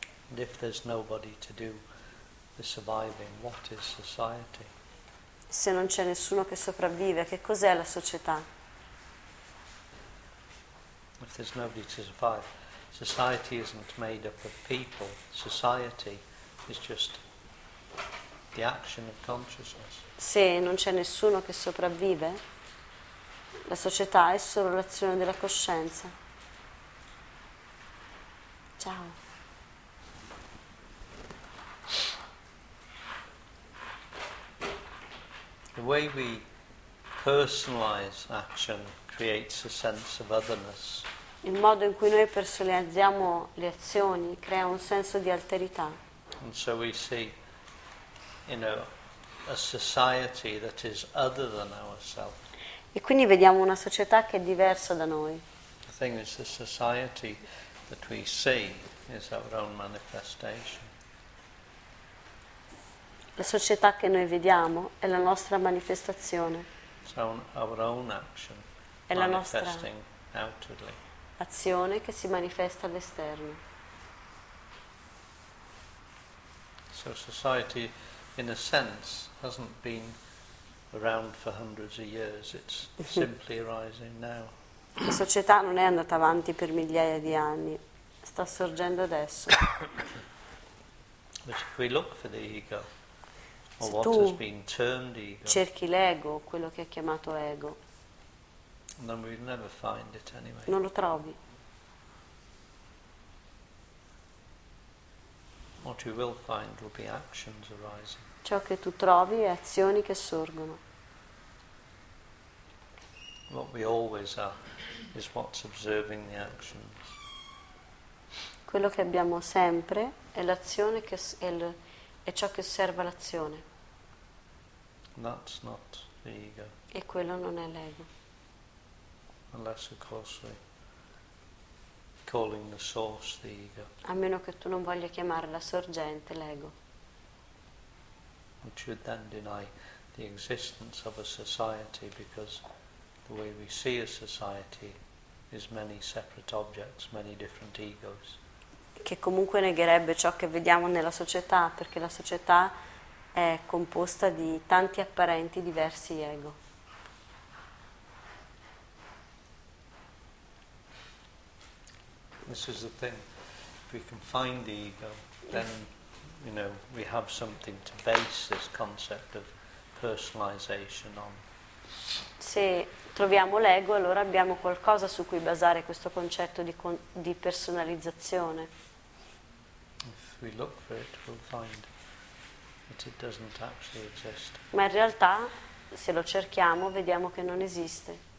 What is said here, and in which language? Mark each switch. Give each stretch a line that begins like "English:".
English: And if there's nobody to do the surviving, what is society?
Italian: Se non c'è nessuno che sopravvive, che cos'è la società?
English: If there's nobody to survive, society isn't made up of people. Society is just the action of consciousness.
Italian: Se non c'è nessuno che sopravvive, la società è solo l'azione della coscienza. Ciao.
English: The way we personalize action creates a sense of otherness.
Italian: Il modo in cui noi personalizziamo le azioni crea un senso di alterità.
English: And so we see, you know, a society that is other than ourselves.
Italian: E quindi vediamo una società che è diversa da noi.
English: The thing is, the society that we see is our own manifestation.
Italian: La società che noi vediamo è la nostra manifestazione.
English: So our own action,
Italian: è la nostra
English: outwardly.
Italian: Azione che si manifesta all'esterno.
English: So society, in a sense, hasn't been around for hundreds of years. It's simply arising now.
Italian: La società non è andata avanti per migliaia di anni. Sta sorgendo adesso.
English: But if we look for the ego, or what has been termed ego,
Italian: cerchi l'ego, quello che è chiamato ego,
English: then we'll never find it anyway.
Italian: Non lo trovi.
English: What you will find will be actions arising.
Italian: Ciò che tu trovi è azioni che sorgono.
English: what we always are is what's observing the actions.
Italian: Quello che abbiamo sempre è l'azione che è ciò che osserva l'azione.
English: That's not the ego.
Italian: E quello non è l'ego.
English: Unless of course we're calling the source the ego.
Italian: A meno che tu non voglia chiamare la sorgente l'ego.
English: Which would then deny the existence of a society, because the way we see a society is many separate objects, many different egos.
Italian: Che comunque negherebbe ciò che vediamo nella società, perché la società è composta di tanti apparenti diversi ego.
English: This is the thing. If we can find the ego, then you know we have something to base this concept of personalization on.
Italian: Se troviamo l'ego, allora abbiamo qualcosa su cui basare questo concetto di personalizzazione.
English: If we look for it, we'll find that it doesn't actually exist.
Italian: Ma in realtà, se lo cerchiamo, vediamo che non esiste.